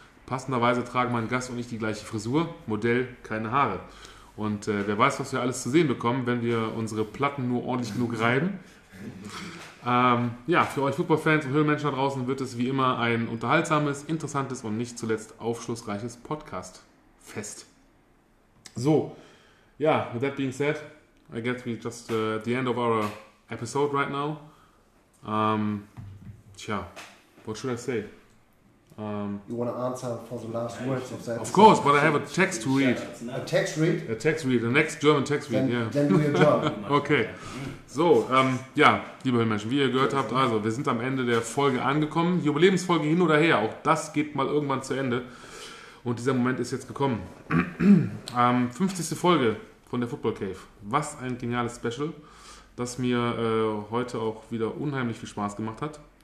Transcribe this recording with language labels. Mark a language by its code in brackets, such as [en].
[de] Passenderweise tragen mein Gast und ich die gleiche Frisur, Modell, keine Haare. Und wer weiß, was wir alles zu sehen bekommen, wenn wir unsere Platten nur ordentlich genug reiben. Ja, für euch Football-Fans und Höhlenmenschen da draußen wird es wie immer ein unterhaltsames, interessantes und nicht zuletzt aufschlussreiches Podcast-Fest. [en] So, ja, with that being said, I guess we just at the end of our episode right now. Tja, what should I say? You want to answer for the last words of that? Of course, but I have a text to read. A text read? A text read, the next German text read, then, yeah. Then do your job. Okay. [de] So, ja, liebe Höhlenmenschen, wie ihr gehört habt, also, wir sind am Ende der Folge angekommen. Die Überlebensfolge hin oder her, auch das geht mal irgendwann zu Ende. Und dieser Moment ist jetzt gekommen. 50. Folge von der Football Cave. Was ein geniales Special, das mir heute auch wieder unheimlich viel Spaß gemacht hat.